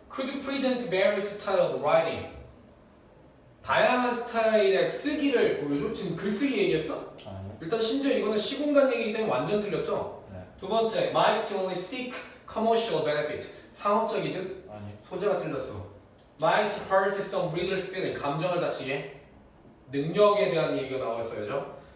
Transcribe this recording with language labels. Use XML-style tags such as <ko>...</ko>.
<en>Could you present various style of writing?</en> <ko>다양한 스타일의 쓰기를 보여줘? 지금 글쓰기 얘기했어? 아니요. 일단 심지어 이거는 시공간 얘기이기 때문에 완전 틀렸죠? 네. 두 번째</ko> <en>Might only seek commercial benefit.</en> <ko>상업적 이득? 아니 소재가 틀렸어.</ko> <en>Might hurt some reader's feeling.</en> <ko>감정을 다치게? 능력에 대한 얘기가 나와있어야죠.</ko>